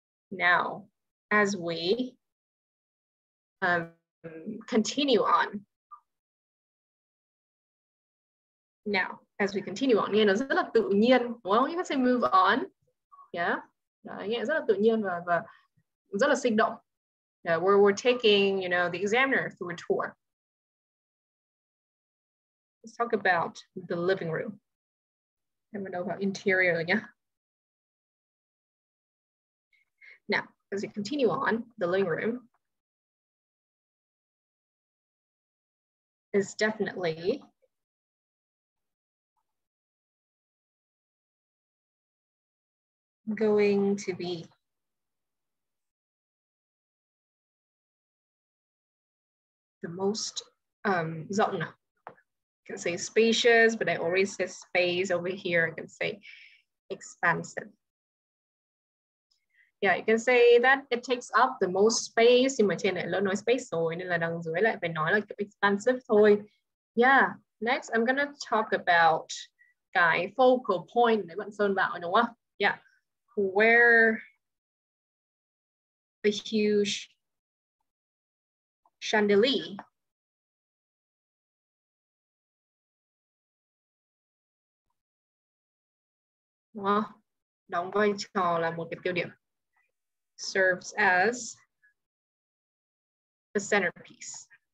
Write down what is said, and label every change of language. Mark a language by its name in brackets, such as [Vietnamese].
[English] Now, as we continue on. Now, as we continue on, [Vietnamese] nghe nó rất là tự nhiên, đúng không? [English] You can say move on. [Vietnamese] Yeah, đó, nghe rất là tự nhiên và rất là sinh động. [English] We're taking, you know, the examiner through a tour. Let's talk about the living room. [Vietnamese] Em bắt đầu vào interior nhé. [English] Now, as we continue on, the living room is definitely going to be the most [Vietnamese] rộng. [English] I can say spacious, but I always say space over here. I can say expansive. Yeah, you can say that it takes up the most space. [Vietnamese] Nhưng mà trên này lỡ nói space rồi, nên là đằng dưới lại phải nói là expansive thôi. [English] Yeah, next I'm gonna talk about cái focal point [Vietnamese] để bạn Sơn bảo, đúng không? [English] Yeah, where the huge chandelier [Vietnamese] đóng vai trò là một cái tiêu điểm, [English] serves as the centerpiece.